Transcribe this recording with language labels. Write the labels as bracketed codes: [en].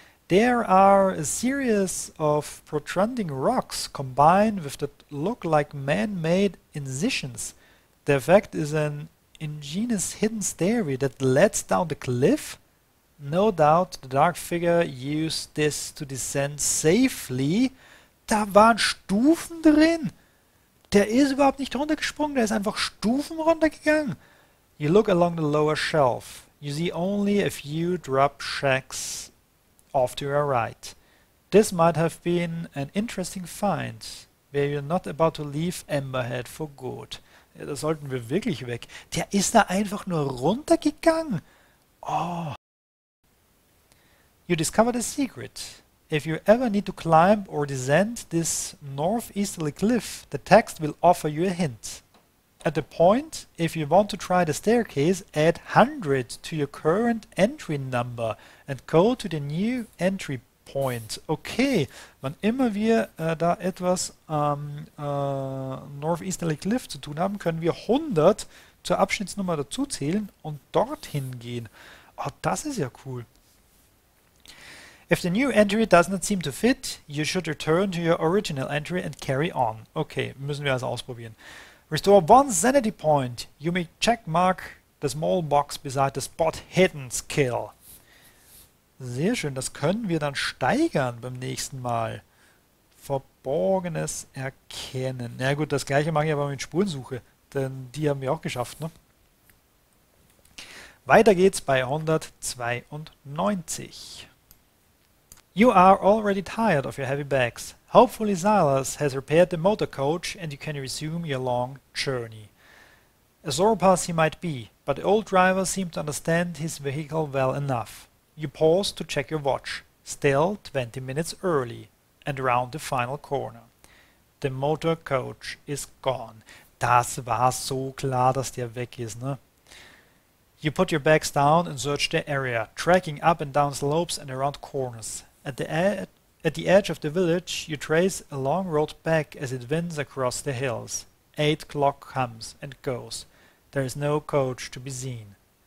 [en] There are a series of protruding rocks combined with that look like man-made incisions. The effect is an ingenious hidden stairway that lets down the cliff. No doubt the dark figure used this to descend safely. [de] Da waren Stufen drin. Der ist überhaupt nicht runtergesprungen, der ist einfach Stufen runtergegangen. [en] You look along the lower shelf. You see only a few drop shacks off to your right. This might have been an interesting find, where you're not about to leave Emberhead for good. [de] Ja, da sollten wir wirklich weg. Der ist da einfach nur runtergegangen. Oh. [en] You discovered a secret. If you ever need to climb or descend this northeasterly cliff, the text will offer you a hint. At the point, if you want to try the staircase, add 100 to your current entry number and go to the new entry point. [de] Okay, wann immer wir da etwas Northeasterly Cliff zu tun haben, können wir 100 zur Abschnittsnummer dazu zählen und dorthin gehen. Oh, das ist ja cool. [en] If the new entry does not seem to fit, you should return to your original entry and carry on. [de] Okay, müssen wir also ausprobieren. [en] Restore one sanity point. You may checkmark the small box beside the spot hidden skill. [de] Sehr schön, das können wir dann steigern beim nächsten Mal. Verborgenes erkennen. Na gut, das gleiche mache ich aber mit Spurensuche, denn die haben wir auch geschafft, ne? Weiter geht's bei 192. [en] You are already tired of your heavy bags. Hopefully Silas has repaired the motor coach and you can resume your long journey. A Zorpas he might be, but the old driver seemed to understand his vehicle well enough. You pause to check your watch. Still 20 minutes early and around the final corner. The motor coach is gone. [de] Das war so klar, dass der weg ist, ne? [en] You put your bags down and search the area, tracking up and down slopes and around corners. At the edge of the village, you trace a long road back as it winds across the hills. 8 o'clock comes and goes. There is no coach to be seen.